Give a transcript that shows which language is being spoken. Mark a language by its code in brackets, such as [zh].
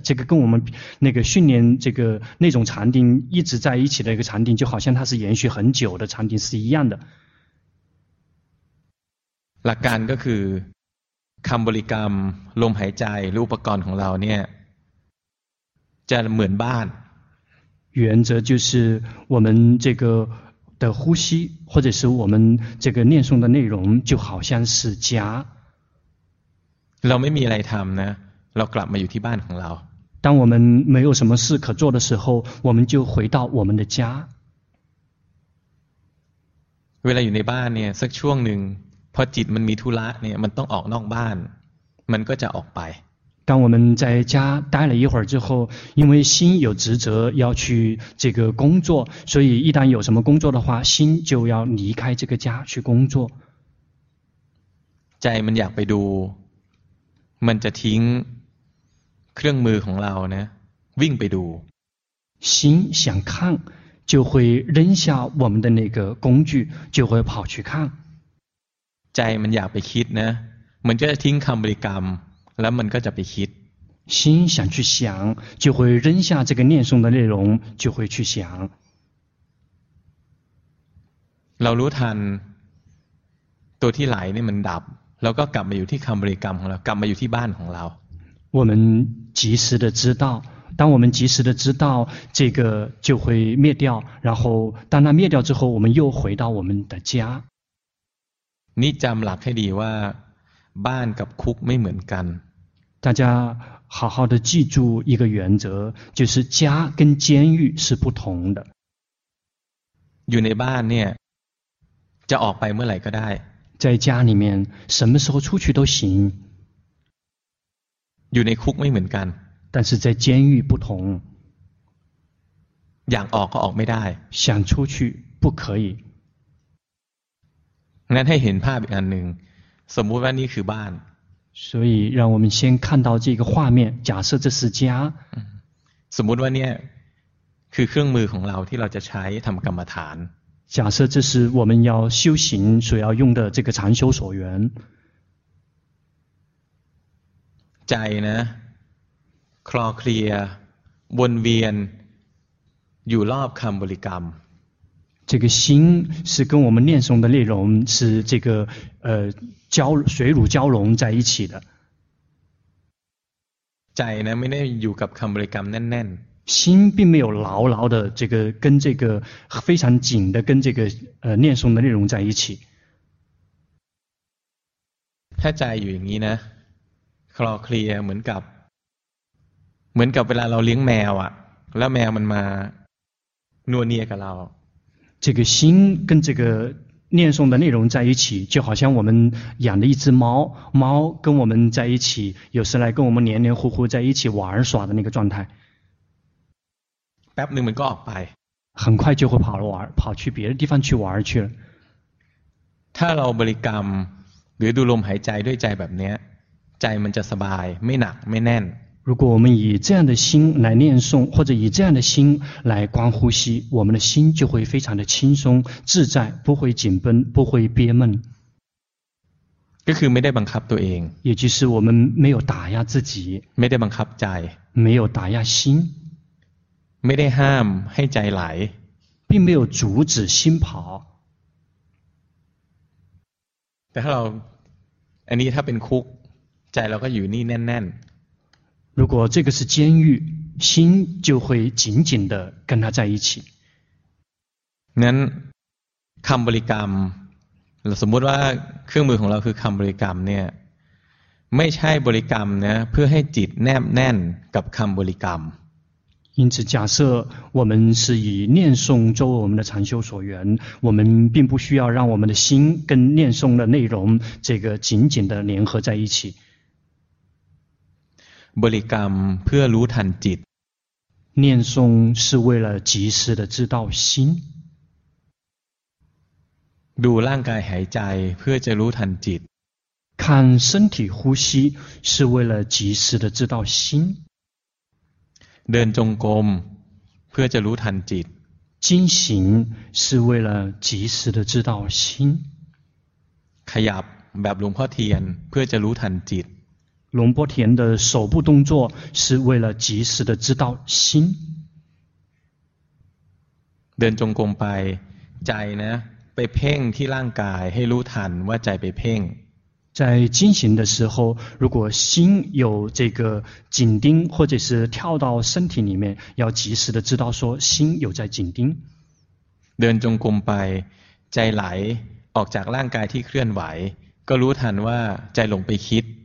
[zh] 这个跟我们那个训练这个那种禅定一直在一起的一个禅定，就好像它是延续很久的禅定是一样的。 [th] หลักการก็คือคำบริกรรมลมหายใจหรืออุปกรณ์ของเราเนี่ยจะเหมือนบ้าน [zh] 原则就是我们这个的呼吸或者是我们这个念诵的内容就好像是家 [th] เราไม่มีอะไรทำนะเรากลับมาอยู่ที่บ้านของเรา [zh] 当我们没有什么事可做的时候我们就回到我们的家 [th] เวลาอยู่ในบ้านเนี่ยสักช่วงหนึ่งพอจิตมันมีธุระเนี่ยมันต้องออกนอกบ้านมันก็จะออกไป [zh] 当我们在家待了一会儿之后，因为心有职责要去这个工作，所以一旦有什么工作的话，心就要离开这个家去工作。 [th] ใจมันอยากไปดูมันจะทิ้งเครื่องมือของเราเนี่ยวิ่งไปดู [zh] 心想看就会扔下我们的那个工具就会跑去看 [th] ใจมันอยากไปคิดนะมันก็จะทิ้งคำบริกรรมแล้วมันก็จะไปคิด [zh] 心想去想就会扔下这个念诵的内容就会去想 [th] เรารู้ทันตัวที่ไหลนี่มันดับแล้วก็กลับมาอยู่ที่คำบริกรรมของเรากลับมาอยู่ที่บ้านของเรา [zh] 我们及时的知道当我们及时的知道这个就会灭掉然后当它灭掉之后我们又回到我们的家 [th] นี่จำหลักให้ดีว่าบ้านกับคุกไม่เหมือนกัน [zh] 大家好好的记住一个原则就是家跟监狱是不同的 [th] อยู่ในบ้านเนี่ยจะออกไปเมื่อไหร่ก็ได้ [zh] 在家里面什么时候出去都行 [th] อยู่ในคุกไม่เหมือนกัน [zh] 但是在监狱不同 [th] อยากออกก็ออกไม่ได้ [zh] 想出去不可以 [th] งั้นให้เห็นภาพอีกอันหนึ่งสมมุติว่านี่คือบ้าน [zh] 所以让我们先看到这个画面假设这是家 [th] สมมุติว่านี่คือเครื่องมือของเราที่เราจะใช้ทำกรรมฐาน [zh] 假设这是我们要修行所要用的这个禅修所缘 [th] ใจนะคลอเคลียวนเวียนอยู่รอบคำบริกรรม [zh] 这个心是跟我们念诵的内容是这个水乳交融在一起的 [th] ใจนะไม่ได้อยู่กับคำบริกรรมแน่น [zh] ๆ心并没有牢牢的这个跟这个非常紧的跟这个念诵的内容在一起 [th] ถ้าใจอยู่อย่างนี้นะคลอเคลียเหมือนกับเวลาเราเลี้ยงแมวอ่ะแล้วแมวมันมานัวเนียกับเรา [zh] 这个心跟这个念诵的内容在一起就好像我们养的一只猫猫跟我们在一起有时来跟我们黏黏糊糊在一起玩耍的那个状态 [th] แป๊บนึงมันก็ออกไป [zh] 很快就会跑去别的地方去玩去了 [th] ถ้าเราบริกรรมหรือดูลมหายใจด้วยใจแบบนี้ใจมันจะสบายไม่หนักไม่แน่น [zh] 如果我们以这样的心来念诵或者以这样的心来观呼吸我们的心就会非常的轻松自在不会紧绷不会憋闷 [th] ก็คือไม่ได้บังคับตัวเอง [zh] 也就是我们没有打压自己 [th] ไม่ได้บังคับใจ [zh] 没有打压心 [th] ไม่ได้ห้ามให้ใจไหล [zh] 并没有阻止心跑 [th] แต่ถ้าเราอันนี้ถ้าเป็นคุกใจเราก็อยู่นี่แน่นๆ [zh] 如果这个是监狱，心就会紧紧的跟他在一起。 [th] 那，คำบริกรรม，สมมติว่าเครื่องมือของเราคือคำบริกรรมเนี่ย，ไม่ใช่บริกรรมนะ，เพื่อให้จิตแนบแน่นกับคำบริกรรม。 [zh] 因此，假设我们是以念诵作为我们的禅修所缘，我们并不需要让我们的心跟念诵的内容这个紧紧的联合在一起。 [th] บริกรรมเพื่อรู้ทันจิต [zh] 念诵是为了及时的知道心 [th] ดูร่างกายหายใจเพื่อจะรู้ทันจิต [zh] 看身体呼吸是为了及时的知道心。 [th] เดินจงกรมเพื่อจะรู้ทันจิต。 [zh] 进行是为了及时的知道心。 [th] ขยับแบบหลวงพ่อเทียนเพื่อจะรู้ทันจิต。 [zh] หลวงพ่อเทียน的手部动作是为了及时的知道心。 [th] เดินจงกรมไปใจนะไปเพ่งที่ร่างกายให้รู้ทันว่าใจไปเพ่ง。 [zh] 在进行的时候，如果心有这个紧盯或者是跳到身体里面，要及时的知道说心有在紧盯。 [th] เดินจงกรมไปใจไหลออกจากร่างกายที่เคลื่อนไหวก็รู้ทันว่าใจหลงไปคิด。